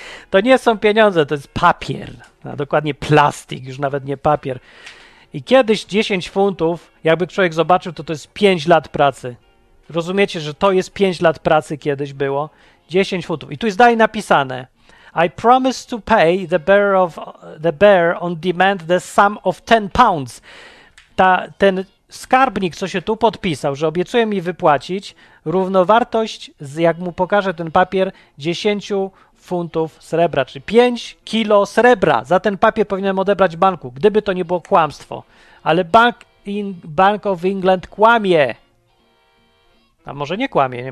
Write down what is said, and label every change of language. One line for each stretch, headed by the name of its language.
Polish: To nie są pieniądze, to jest papier. A dokładnie plastik, już nawet nie papier. I kiedyś 10 funtów, jakby człowiek zobaczył, to jest 5 lat pracy. Rozumiecie, że to jest 5 lat pracy kiedyś było? 10 funtów. I tu jest dalej napisane.
English: I promise to pay the bearer on demand the sum of 10 pounds.
Polish: Ten skarbnik, co się tu podpisał, że obiecuje mi wypłacić równowartość, jak mu pokażę ten papier, 10 funtów srebra, czyli 5 kilo srebra. Za ten papier powinienem odebrać banku, gdyby to nie było kłamstwo. Ale Bank of England kłamie. A może nie kłamie, nie?